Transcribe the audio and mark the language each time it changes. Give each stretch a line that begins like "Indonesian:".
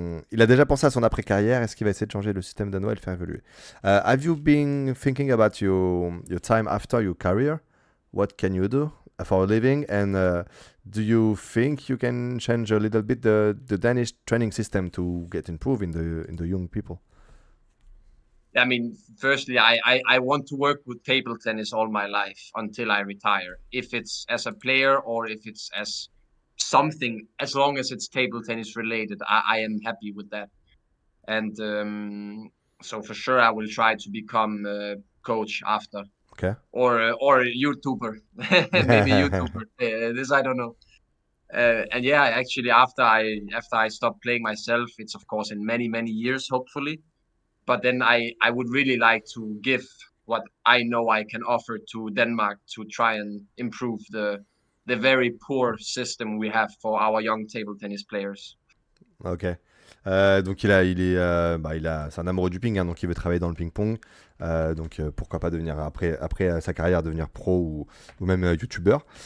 French: Il a déjà pensé à son après-carrière. Est-ce qu'il va essayer de changer le système danois et le faire évoluer?
English: Have you been thinking about your time after your career? What can you do for a living? And do you think you can change a little bit the Danish training system to get improved in the young people? I mean, firstly, I want to work with table tennis all my life until I retire. If it's as a player or if it's as something, as long as it's table tennis related, I am happy with that. And so for sure, I will try to become a coach after, or a YouTuber, maybe YouTuber. This I don't know. And yeah, actually, after I stop playing myself, it's of course in many, many years, hopefully. But then I would really like to give what I know I can offer to Denmark to try and improve the very poor system we have for our young table tennis players.
French: Donc c'est un amoureux du ping, hein, donc il veut travailler dans le ping-pong. Pourquoi pas devenir après sa carrière devenir pro ou même youtubeur.